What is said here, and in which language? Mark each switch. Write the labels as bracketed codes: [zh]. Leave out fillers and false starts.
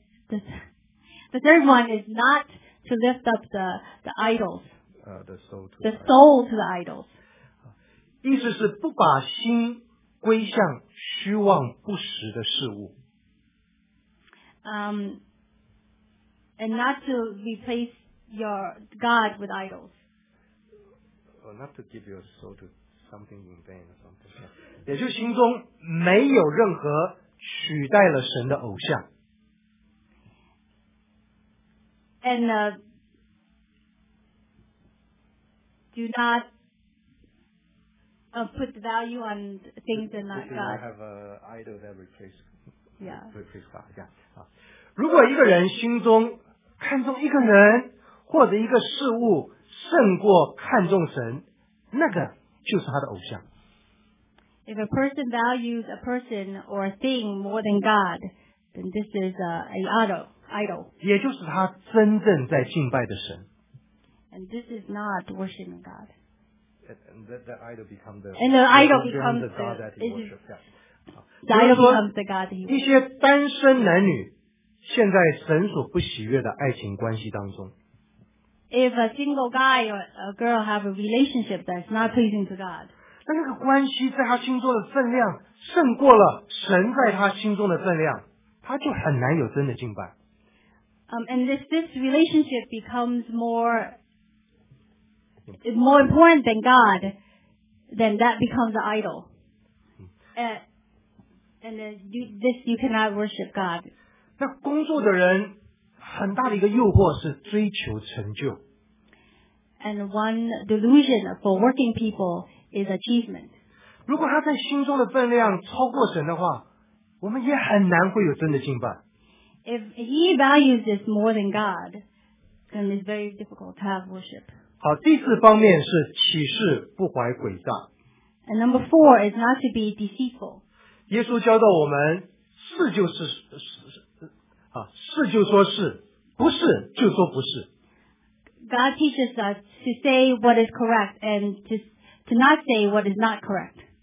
[en] The third one is not to lift up the idols, the soul to the idols. [zh] 意思是不把心归向虚妄不实的事物。 [en] And not to replace your God with idols. Not to give your soul to something in vain or something. [zh] 也就是心中没有任何取代了神的偶像。 [en] And do not put the value on things and not God. I have an idol that replaces God. Yeah. [zh] 如果一个人心中看重一个人或者一个事物胜过看重神，那个就是他的偶像。 [en] If a person values a person or a thing more than God, then this is an idol. [zh] 也就是他真正在敬拜的神。 [en] And this is not worshiping God. that idol become the, and the idol becomes the god that he worships. Yeah. The idol becomes the god that he worships. [zh] 一些单身男女现在神所不喜悦的爱情关系当中。 [en] If a single guy or a girl have a relationship that's not pleasing to God. [zh] 但那个关系在他心中的分量胜过了神在他心中的分量，他就很难有真的敬拜。 [en] And this relationship becomes more important than God, then that becomes an idol. And then you cannot worship God. [zh] 那工作的人很大的一个诱惑是追求成就。 [en] And one delusion for working people is achievement. [zh] 如果他在心中的分量超过神的话，我们也很难会有真的敬拜。 [en] If he values this more than God, then it's very difficult to have worship. [zh] 好，第四方面是启示不怀诡诈。 [en] And number four is not to be deceitful. [zh] 耶稣教导我们，是就是是是就说是，不是就说不是。 [en] God teaches us to say what is correct and to not say what is not correct.